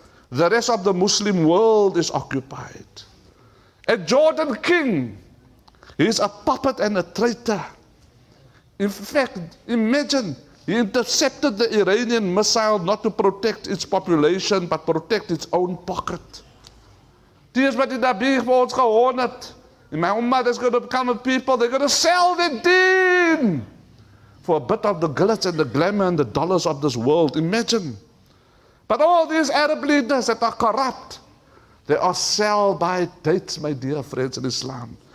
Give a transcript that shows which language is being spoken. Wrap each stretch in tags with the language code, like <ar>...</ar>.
<en>The rest of the Muslim world is occupied. A Jordan king, he is a puppet and a traitor. In fact, imagine, he intercepted the Iranian missile not to protect its population, but protect its own pocket.</en> <af>Dis wat die Nabi vir ons gehoor het.</af> <en>In my ummah, there's going to become a people, they're going to sell their deen for a bit of the glitz and the glamour and the dollars of this world. Imagine. But all these Arab leaders that are corrupt, they are sell by dates, my dear friends in Islam.</en>